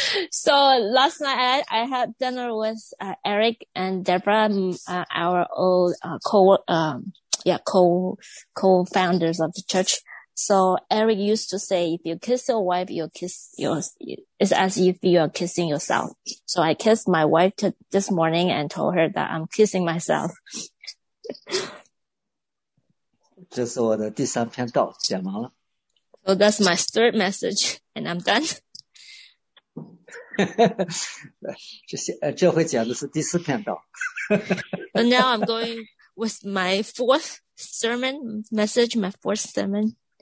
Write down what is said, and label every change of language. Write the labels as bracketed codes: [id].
[en] So last night I had dinner with Eric and Deborah, our old co-founders of the church. So Eric used to say, if you kiss your wife, you kiss yours. It's as if you are kissing yourself. So I kissed my wife this morning and told her that I'm kissing myself. [zh] 这是我的第三篇道，讲完了。 [en] So that's my third message, and I'm done. [zh] 这回讲的是第四篇道。 [en] So now I'm going with my fourth sermon message, my fourth sermon.